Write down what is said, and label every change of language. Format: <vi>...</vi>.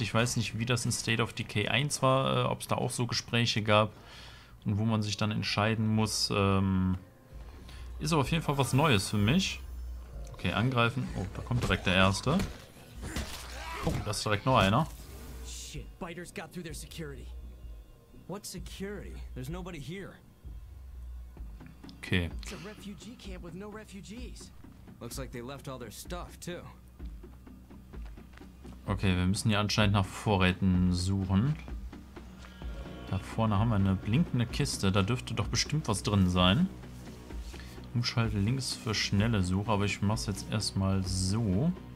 <de>Ich weiß nicht, wie das in State of Decay 1 war, ob es da auch so Gespräche gab und wo man sich dann entscheiden muss. Ist aber auf jeden Fall was Neues für mich. Okay, angreifen. Oh, da kommt direkt der Erste. Oh, da ist direkt noch einer.</de> <en>Shit, Biters got through their security. What security? There's nobody here. Okay. It's a refugee camp with no refugees. Looks like they left all their stuff too.</en> <de>Okay, wir müssen hier anscheinend nach Vorräten suchen. Da vorne haben wir eine blinkende Kiste. Da dürfte doch bestimmt was drin sein. Umschalte links für schnelle Suche. Aber ich mach's jetzt erstmal so.</de>